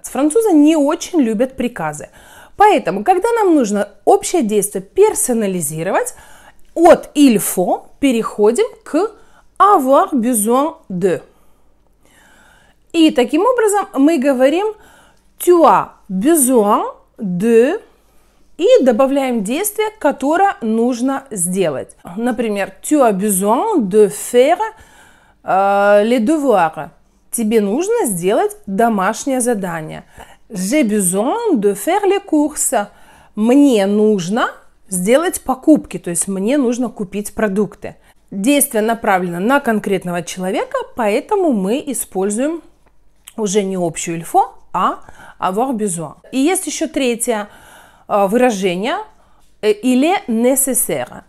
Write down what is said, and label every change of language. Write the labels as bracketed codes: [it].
[ru] Французы не очень любят приказы. Поэтому, когда нам нужно общее действие персонализировать, от «il faut» переходим к [fr] «avoir besoin de». [ru] И таким образом мы говорим [fr] «tu as besoin de» [ru] и добавляем действие, которое нужно сделать. Например, [fr] «tu as besoin de faire les devoirs». [ru] Тебе нужно сделать домашнее задание. [fr] «J'ai besoin de faire les courses». [ru] Мне нужно сделать покупки, то есть мне нужно купить продукты. Действие направлено на конкретного человека, поэтому мы используем уже не общую «il faut», а [fr] «avoir besoin». [ru] И есть еще третье выражение [fr] «il est nécessaire».